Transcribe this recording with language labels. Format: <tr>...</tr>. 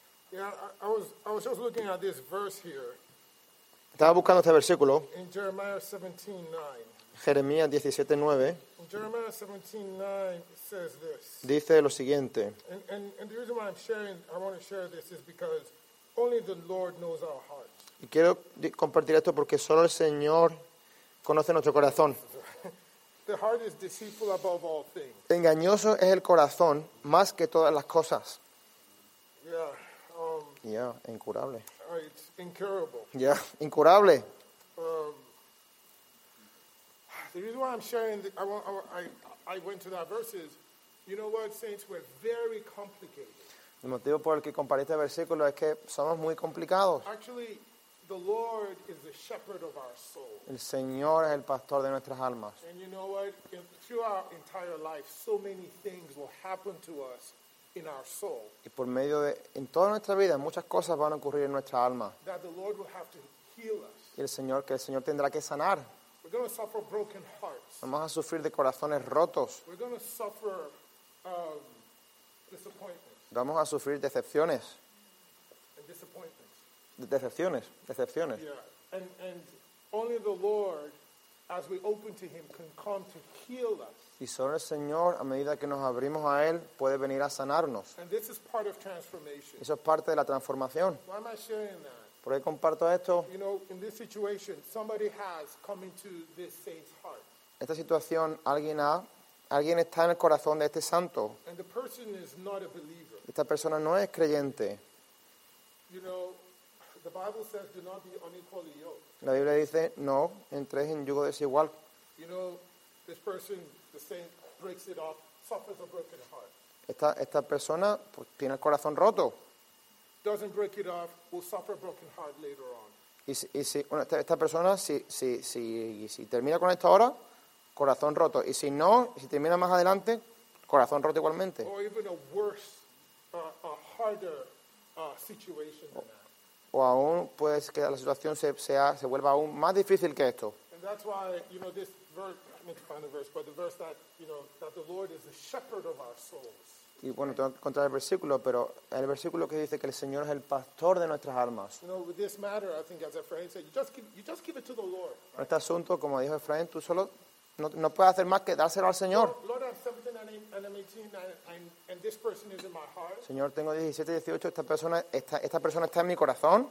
<en>Yeah, I was just looking at this verse here.</en> <es>Estaba buscando este versículo.</es> <en>In Jeremiah 17:9.</en> <es>Jeremías 17:9.</es> <en>In Jeremiah 17:9 says this.</en> <es>Dice lo siguiente.</es> <en>And the reason why I want to share this is because only the Lord knows our hearts.</en> <es>Y quiero compartir esto porque solo el Señor conoce nuestro corazón.</es> <en>The heart is deceitful above all things.</en> <es>Engañoso es el corazón más que todas las cosas.</es> <en>Yeah, yeah, incurable. It's incurable. Yeah, incurable. The reason why I'm sharing, I went to that verse is, you know what, saints, we're very complicated.</en> <es>El motivo por el que comparé este versículo es que somos muy complicados.</es> <en>Actually, the Lord is the shepherd of our soul.</en> <es>El Señor es el pastor de nuestras almas.</es> <en>And you know what? Through our entire life, so many things will happen to us in our soul.</en> <es>Y por medio de en toda nuestra vida, muchas cosas van a ocurrir en nuestra alma.</es> <en>That the Lord will have to heal us.</en> <es>Y el Señor, que el Señor tendrá que sanar.</es> <en>We're going to suffer broken hearts.</en> <es>Vamos a sufrir de corazones rotos.</es> <en>We're going to suffer disappointments.</en> <es>Vamos a sufrir decepciones.</es> <en>And disappointments.</en> <es>Decepciones.</es> <en>Yeah. And only the Lord, as we open to Him, can come to heal us.</en> <es>Y solo el Señor, a medida que nos abrimos a Él, puede venir a sanarnos.</es> <en>And this is part of transformation.</en> <es>Eso es parte de la transformación.</es> <en>Why am I sharing that?</en> <es>¿Por qué comparto esto?</es> <en>You know, in this situation, somebody has come into this saint's heart.</en> <es>Esta situación, alguien está en el corazón de este santo.</es> <en>And the person is not a believer.</en> <es>Esta persona no es creyente.</es> <en>You know, the Bible says, "Do not be unequally yoked."</en> <es>La Biblia dice, no, entres en yugo desigual.</es> <en>You know, this person, the saint, breaks it off, suffers a broken heart.</en> <es>Esta persona pues, tiene el corazón roto.</es> <en>Doesn't break it off, will suffer a broken heart later on.</en> <es>Y si, bueno, esta persona, si termina con esto ahora, corazón roto. Y si no, si termina más adelante, corazón roto igualmente.</es> <en>Or even a worse, a harder situation than that.</en> <es>O aún pues que la situación se vuelva aún más difícil que esto.</es> <en>And that's why, you know, this verse, I need to find the verse, but the verse that, you know, that the Lord is the shepherd of our souls.</en> <es>Y bueno, tengo que encontrar el versículo, pero el versículo que dice que el Señor es el pastor de nuestras almas.</es> <en>You know, with this matter, I think as Efraín said, you just give it to the Lord. Right?</en> <es>Este asunto, como dijo Efraín, tú solo no puedes hacer más que dárselo al Señor.</es> <en>Lord, I'm 17 and I'm 18 and this person is in my heart.</en> <es>Señor, tengo 17, 18, esta persona está en mi corazón.</es>